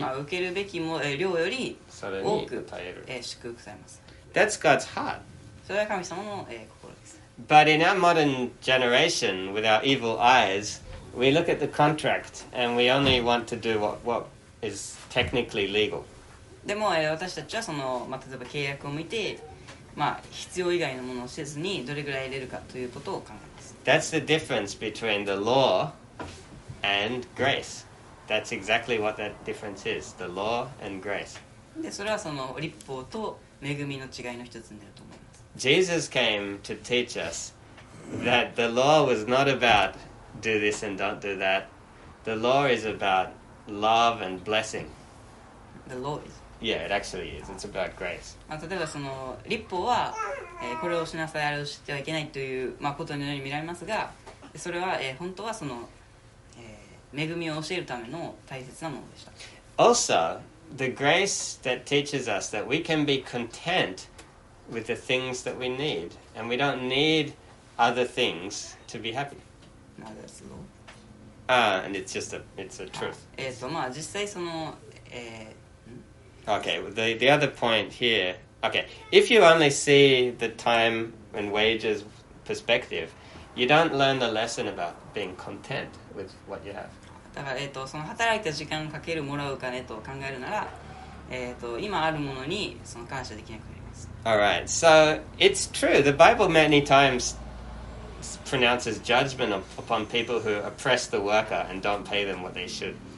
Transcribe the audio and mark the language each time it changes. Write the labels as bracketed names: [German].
[Japanese] まあ、受けるべきも、量より多く、祝福されます。 [English] That's God's heart. [Japanese] それは神様の、心です。 [English] But in our modern generation, with our evil eyes, we look at the contract and we only want to do what is technically legal. [Japanese] でも、私たちはその、まあ、例えば契約を見て、まあ、必要以外のものをせずにどれぐらい入れるかということを考えます。 [English] That's the difference between the law and grace. That's exactly what that difference is, the law and grace. [Japanese] で、それはその律法と恵みの違いの一つになると思います。 [English] Jesus came to teach us that the law was not about do this and don't do that. The law is about love and blessing. The law is? Yeah, it actually is. It's about grace. [Japanese] まあ、例えばその律法は、これをしなさい、あれをしてはいけないという、まあ、ことのように見られますが、それは、本当はその恵みを教えるための大切なものでした。 [English] Also, the grace that teaches us that we can be content with the things that we need, and we don't need other things to be happy. Now that's the law. And it's just it's a truth. [Japanese] まあ実際その、 [English] Okay, the other point here. Okay, if you only see the time and wages perspective, you don't learn the lesson about being content. [Japanese] だから、その働いた時間をかけるもらう金と考えるなら、今あるものにその感謝できなくなります。 [English] All right. So it's true. The Bible many times pronounces judgment upon people who oppress the worker and don't pay them what they should.